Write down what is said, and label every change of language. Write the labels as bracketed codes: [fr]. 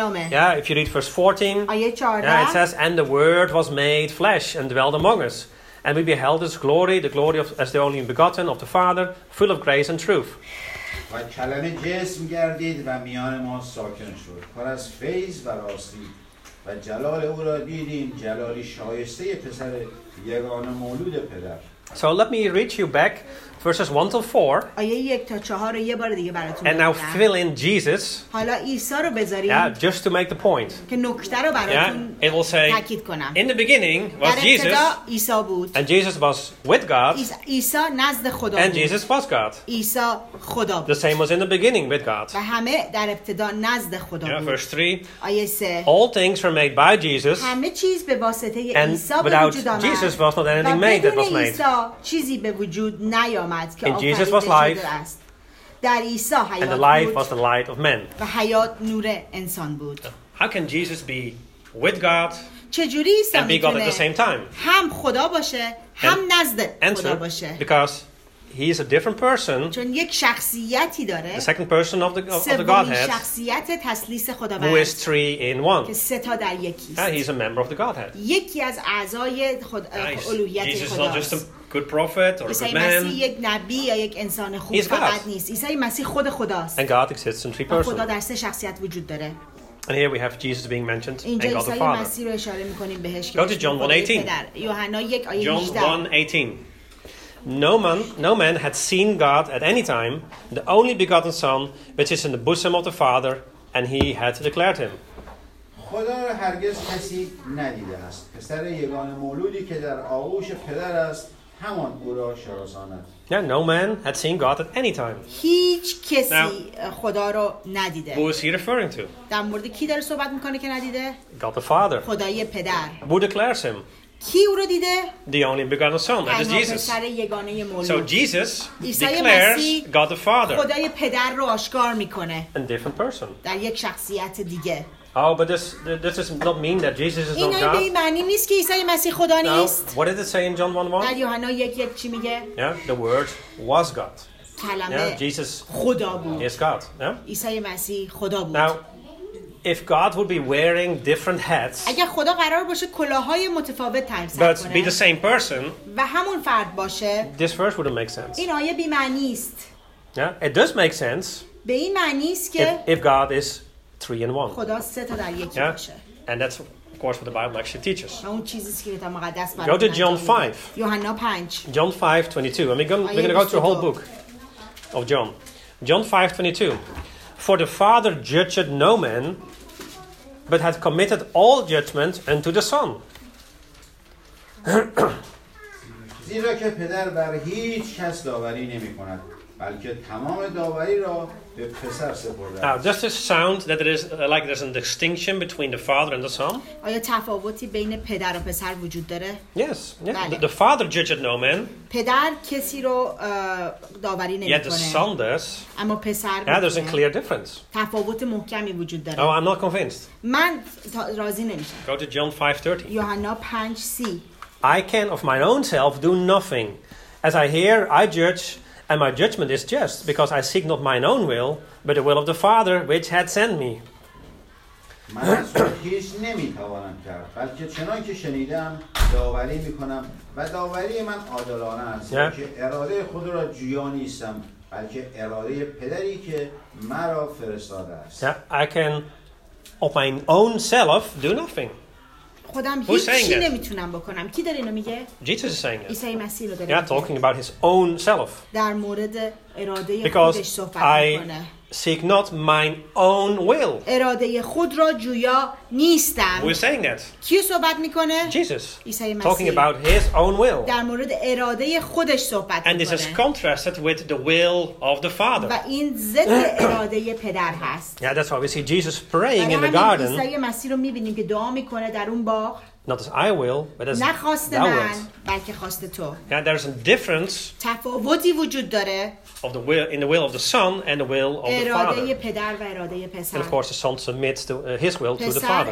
[en] Yeah, if you read verse 14, yeah, it says, "And the Word was made flesh and dwelt among us. And we beheld His glory, the glory of as the only begotten of the Father, full of grace and truth." [fa] و کلمه جسم گردید و میان ما ساکن شد پر از فیض و راستی و جلال او را دیدیم جلالی شایسته پسر یگانه مولود پدر. [en] So let me read you back verses 1 to 4. [fa] آیه 1 تا 4 رو یه بار دیگه براتون بگم. [en] And now fill in Jesus. [fa] حالا عیسی رو بذاریم. [en] Yeah, just to make the point. [fa] که نکته رو براتون [en] It will say, [fa] تاکید کنم. [en] In the beginning was Jesus. [fa] عیسی بود. [en] And Jesus was with God. [fa] عیسی نزد خدا بود. [en] And Jesus was God. [fa] عیسی خدا بود. [en] The same was in the beginning with God. [fa] و همه در ابتدا نزد خدا بود. [en] Verse 3. [fa] آیه 3. [en] All things were made by Jesus. [fa] همه چیز به واسطه عیسی به وجود آمد. [en] And without Jesus was not anything made that was made. [fa] چیزی به وجود نیامد که [en] In Jesus was life. [fa] در عیسی حیات بود. [en] And the life was the light of men. [fa] و حیات نور انسان بود. [en] How can Jesus be with God? [fa] چجوری عیسی [en] and be God at the same time? [fa] هم خدا باشه هم نزد [en] answer, [fa] خدا باشه. [en] Because he is a different person. [fa] چون یک شخصیتی داره. [en] The second person of the Godhead. [fa] شخصیت تسلیث خداوند. [en] Who is three in one. [fa] که سه تا در یکی است. [en] He is a member of the Godhead. [fa] یکی از اعضای خدا الوهیت خداست. [en] Jesus is not just a good prophet or a good man. [fa] عیسی یک نبی یا یک انسان خوب فقط نیست. عیسی مسیح خود خداست. [en] And God exists in three persons. [fa] خدا در سه شخصیت وجود داره. [en] And here we have Jesus being mentioned [fa] اینجا [en] and God the Father. [fa] عیسی رو اشاره می‌کنیم بهش. [en] Go to John 1:18. [fa] یوحنا 1 آیه 18. [en] John 1:18. No man had seen God at any time, the only begotten Son, which is in the bosom of the Father, and he had declared him. [fa] خدا را هرگز کسی ندیده است. پسر یگانه مولودی که در آغوش پدر است، همان او را شناساند. [en] Yeah, no man had seen God at any time. [fa] هیچ کسی خدا را ندیده. [en] Who is he referring to? [fa] در مورد کی داره صحبت میکنه که ندیده؟ [en] God the Father. [fa] خدای پدر. [en] Who declares him? [fa] کی او رو دیده؟ [en] The only begotten Son, that is Jesus. [fa] پسر یگانه مولود. [en] So Jesus declares God the Father. [fa] خدای پدر رو آشکار میکنه. [en] A different person. [fa] در یک شخصیت دیگه. [en] Oh, but this does not mean that Jesus is not God. [fa] این به این معنی نیست که عیسی مسیح خدا نیست. [en] Now, what did it say in John 1:1? [fa] در یوحنا 1:1 چی میگه؟ [en] Yeah, the Word was God. [fa] کلمه [en] yeah, Jesus [fa] خدا بود. [en] Yes, God. Yeah. [fa] عیسی مسیح خدا بود. [en] Now, if God would be wearing different hats, [fa] اگر خدا قرار باشه کلاهای متفاوت تن سر [en] but be the same person, [fa] و همون فرد باشه, [en] this verse wouldn't make sense. [fa] این آیه بی‌معنی است. [en] Yeah, it does make sense. [fa] به این معنی است که [en] if God is three in one, [fa] خدا سه تا در یکی باشه. [en] And that's of course what the Bible actually teaches. [fa] اون چیزیه که کتاب مقدس برای ما میگه. [en] Go to John 5. [fa] یوحنا 5. [en] John 5:22. And we're going to go to the whole book of John. John 5:22. For the Father judged no man, but had committed all judgment unto the Son. [fa] زیرا که پدر بر هیچ کس داوری نمی کند بلکه تمام داوری را به پسر سپرده. [en] Now, does this sound that there is like there's a distinction between the Father and the Son? [fa] آیا تفاوتی بین پدر و پسر وجود داره؟ [en] Yes. Yeah. The Father judged no man. [fa] پدر کسی رو داوری نمی‌کنه. [en] Yet the Son does. [fa] اما پسر. [en] Yeah, there's a clear difference. [fa] تفاوت محکمی وجود داره. [en] Oh, I'm not convinced. [fa] من راضی نمی‌شم. [en] Go to John 5:30. [fa] یوحنا 5:30. [en] I can of my own self do nothing. As I hear, I judge. And my judgment is just, because I seek not mine own will, but the will of the Father which had sent me. [fa] من از خود هیچ نمیتوانم کرد، بلکه چنان که شنیدم داوری میکنم و داوری من عادلانه است، بلکه اراده خود را جویا نیستم، بلکه اراده پدری که مرا فرستاده است. [en] Yeah, I can of my own self do nothing. [fa] خودم هیچی نمیتونم بکنم. کی داره اینو میگه؟ [en] Jesus is saying it. [fa] عیسی مسیح رو داره. [en] Yeah, talking about his own self. [fa] در مورد اراده [en] Because [fa] خودش صحبت [en] I [fa] میکنه. [en] Seek not mine own will. [fa] اراده خود را جویا نیستم. [en] Who is saying that? [fa] کی صحبت میکنه؟ [en] Jesus. [fa] عیسی مسیح. [en] Talking about his own will. [fa] در مورد اراده خودش صحبت [en] And [fa] میکنه. [en] And this is contrasted with the will of the Father. [fa] و این ضد اراده پدر هست. [en] Yeah, that's why we see Jesus praying in the garden. [fa] عیسی مسیح رو میبینیم که دعا میکنه در اون باغ. [en] Not as I will, but as thou wilt. [fa] بلکه خواست تو. [en] Yeah, there is a difference. [fa] تفاوتی وجود داره. [en] Of the will, in the will of the son and the will of the father. [fa] اراده پدر و اراده پسر. [en] And of course, the son submits to his will to the father.